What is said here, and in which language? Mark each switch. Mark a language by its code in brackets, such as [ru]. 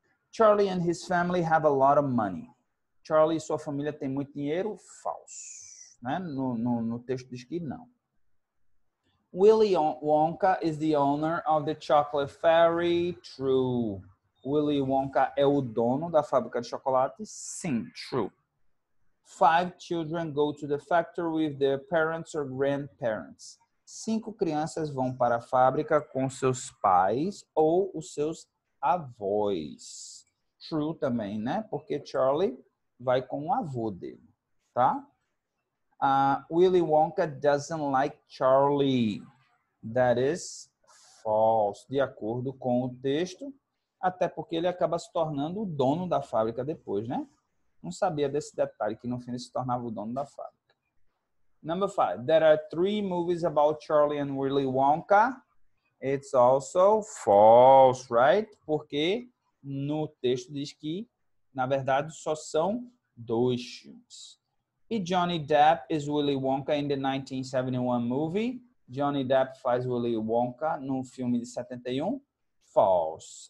[en] Charlie and his family have a lot of money. [pt] Charlie e sua família têm muito dinheiro? False. Né? No texto diz que não. [en] Willy Wonka is the owner of the chocolate factory. True. [pt] Willy Wonka é o dono da fábrica de chocolate? Sim, true. [en] Five children go to the factory with their parents or grandparents. [pt] Cinco crianças vão para a fábrica com seus pais ou os seus avós. True também, né? Porque Charlie vai com o avô dele, tá? [en] Willy Wonka doesn't like Charlie. That is false. [pt] De acordo com o texto, até porque ele acaba se tornando o dono da fábrica depois, né? Não sabia desse detalhe, que no fim ele se tornava o dono da fábrica. [en] Number five. There are three movies about Charlie and Willy Wonka. It's also false, right? [pt] Porque no texto diz que, na verdade, só são dois filmes. [en] E Johnny Depp is Willy Wonka in the 1971 movie. [pt] Johnny Depp faz Willy Wonka no filme de 71. False.